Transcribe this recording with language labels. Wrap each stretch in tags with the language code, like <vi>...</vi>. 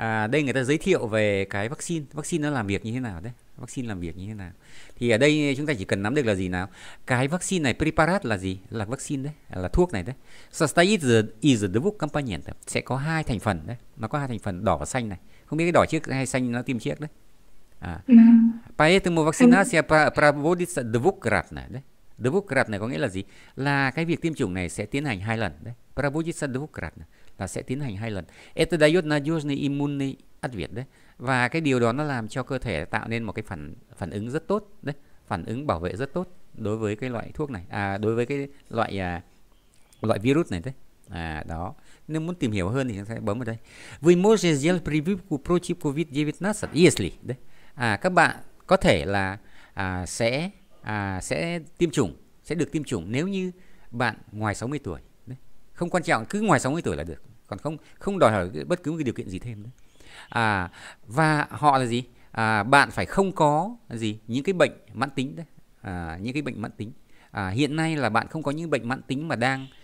<vi>Đây người ta giới thiệu về cái vaccine nó làm việc như thế nào đấy, vaccine làm việc như thế nào. Thì ở đây chúng ta chỉ cần nắm được là gì nào, cái vaccine này preparat là gì, là vaccine đấy, là thuốc này đấy. Is the component sẽ có hai thành phần đấy, nó có hai thành phần đỏ và xanh này, không biết cái đỏ trước hay xanh nó tiêm trước đấy.</vi> <ru>Поэтому вакцинация проводится двукратно.</ru> <vi>Đấy. Двукратно này có nghĩa là gì? Là cái việc tiêm chủng này sẽ tiến hành hai lần. Đấy.</vi> <ru>Проводится двукратно</ru> <vi>là sẽ tiến hành hai lần.</vi> <ru>Это дает надежный иммунный ответ.</ru> <vi>Đấy. Và cái điều đó nó làm cho cơ thể tạo nên một cái phản phản ứng rất tốt. Đấy. Phản ứng bảo vệ rất tốt đối với cái loại thuốc này. Đối với cái loại loại virus này đấy. Đó. Nếu muốn tìm hiểu hơn thì chúng ta sẽ bấm vào đây.</vi> <ru>Вы можете сделать прививку против COVID-19, если.</ru> <vi>Đấy. Các bạn có thể là sẽ được tiêm chủng nếu như bạn ngoài 60 tuổi đấy. Không quan trọng, cứ ngoài 60 tuổi là được, còn không không đòi hỏi bất cứ một cái điều kiện gì thêm đấy. Và họ là gì, bạn phải không có gì những cái bệnh mãn tính đấy, những cái bệnh mãn tính hiện nay là bạn không có những bệnh mãn tính mà đang</vi>